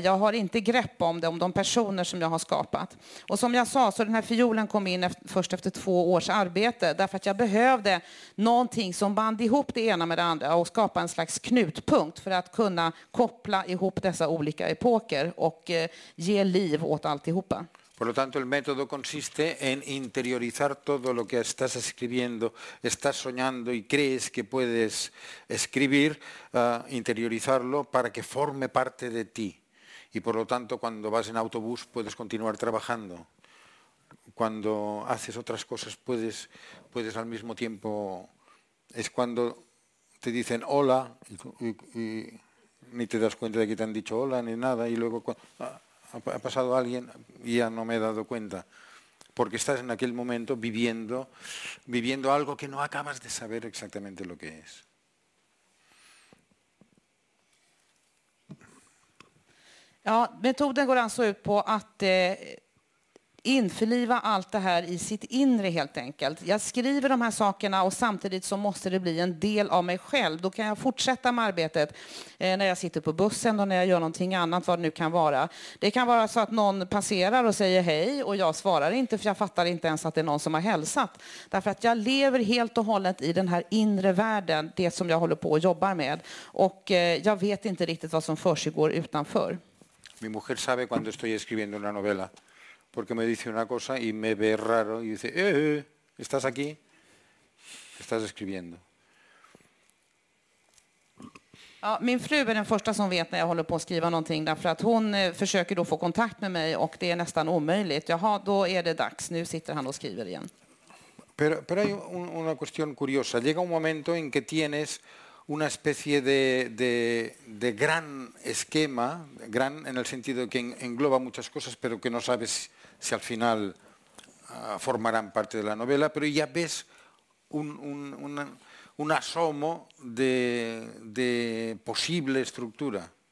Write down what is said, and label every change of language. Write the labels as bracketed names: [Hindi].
[Swedish] Jag har inte grepp om det, om de personer som jag har skapat. Och som jag sa, så den här fiolen kom in först efter 2 års arbete, därför att jag behövde någonting som band ihop det ena med det andra och skapa en slags knutpunkt för att kunna koppla ihop dessa olika epoker och ge liv åt altihopa. [Spanish] Por lo tanto, el método consiste en interiorizar todo lo que estás escribiendo, estás soñando y crees que puedes escribir, interiorizarlo para que forme parte de ti. Y por lo tanto, cuando vas en autobús puedes continuar trabajando. Cuando haces otras cosas puedes al mismo tiempo... Es cuando te dicen hola y ni te das cuenta de que te han dicho hola ni nada y luego... Ha pasado alguien y ya no me he dado cuenta, porque estás en aquel momento viviendo algo que no acabas de saber exactamente lo que es. [Swedish] Ja, metoden går alltså ut på att införliva allt det här i sitt inre helt enkelt. Jag skriver de här sakerna och samtidigt så måste det bli en del av mig själv. Då kan jag fortsätta med arbetet när jag sitter på bussen och när jag gör någonting annat, vad det nu kan vara. Det kan vara så att någon passerar och säger hej och jag svarar inte, för jag fattar inte ens att det är någon som har hälsat. Därför att jag lever helt och hållet i den här inre världen, det som jag håller på och jobbar med. Och jag vet inte riktigt vad som försiggår utanför. [Spanish] Min mujer sabe cuando estoy escribiendo una novela. Porque me dice una cosa y me ve raro y dice, ¿estás aquí? Estás escribiendo. [Swedish] Ja, min fru är den första som vet när jag håller på att skriva någonting, därför att hon försöker då få kontakt med mig och det är nästan omöjligt. Jaha, då är det dags. Nu sitter han och skriver igen. [Spanish] Pero hay una cuestión curiosa. Llega un momento en que tienes una especie de gran esquema, gran en el sentido que engloba muchas cosas, pero que no sabes si al final formarán parte de la novela, pero ya ves un asomo de posible estructura.